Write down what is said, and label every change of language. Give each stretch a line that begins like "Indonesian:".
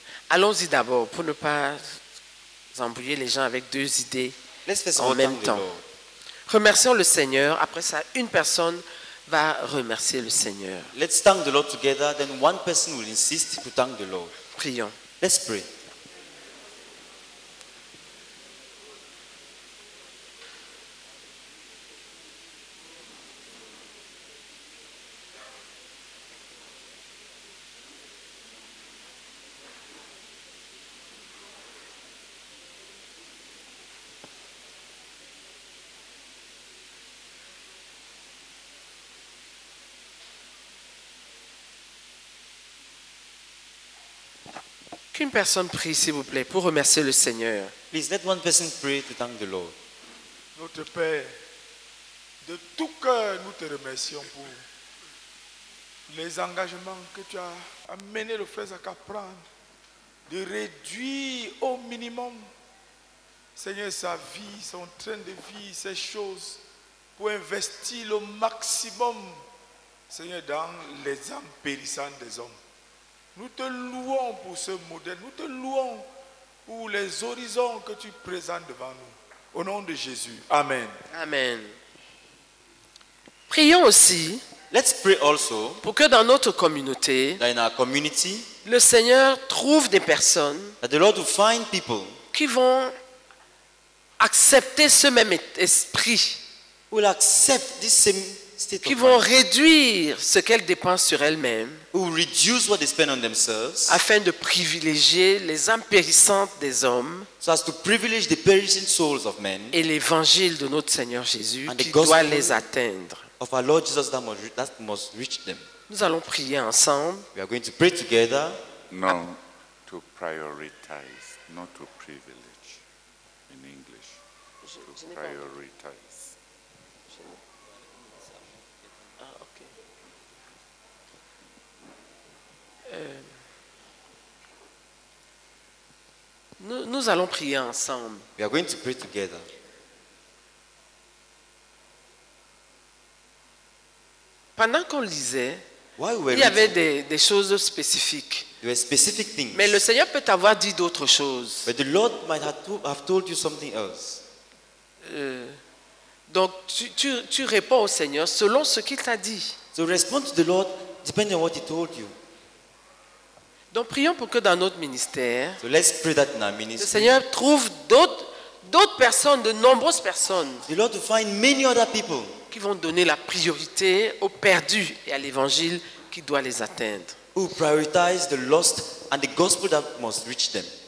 French: Allons-y d'abord pour ne pas embrouiller les gens avec deux idées en même temps. Remercions le Seigneur. Après ça, une personne va remercier le Seigneur.
English: Let's thank the Lord together. Then one person will insist to thank the Lord.
French: Prions.
English: Let's pray.
French: Qu'une personne prie, s'il vous plaît, pour remercier le Seigneur.
English: Please let one person pray to thank the Lord.
French: Notre Père, de tout cœur, nous te remercions pour les engagements que tu as amené le frère Zach à prendre, de réduire au minimum, Seigneur, sa vie, son train de vie, ses choses, pour investir le maximum, Seigneur, dans les âmes périssantes des hommes. Nous te louons pour ce modèle. Nous te louons pour les horizons que tu présentes devant nous. Au nom de Jésus. Amen. Amen. Prions aussi.
English: Let's pray also.
French: Pour que dans notre communauté,
English: that in our community,
French: le Seigneur trouve des personnes,
English: that the Lord will find people,
French: qui vont accepter ce même esprit,
English: will accept this same state,
French: qui vont réduire ce qu'elles dépensent sur elles-mêmes.
English: Who reduce what they spend on themselves,
French: afin de privilégier les âmes périssantes des hommes,
English: so as to privilege the perishing souls of men,
French: et l'évangile de notre Seigneur Jésus
English: and
French: qui doit les atteindre.
English: Of our Lord Jesus that must reach them.
French: Nous allons prier ensemble.
English: We are going to pray together. No, to prioritize, not to privilege in English. Prioritize.
French: Nous allons prier ensemble.
English: We are going to pray together.
French: Pendant qu'on lisait, il y avait des choses spécifiques.
English: There were specific things.
French: Mais le Seigneur peut avoir dit d'autres choses.
English: But the Lord might have told you something else.
French: Donc tu réponds au Seigneur selon ce qu'il t'a dit.
English: So respond to the Lord depending on what he told you.
French: Donc prions pour que dans notre ministère,
English: so let's pray that in our ministry,
French: le Seigneur trouve d'autres personnes, de nombreuses personnes,
English: the Lord will find many other people,
French: qui vont donner la priorité aux perdus et à l'évangile qui doit les atteindre.
English: Who prioritize the lost and the gospel that must reach them.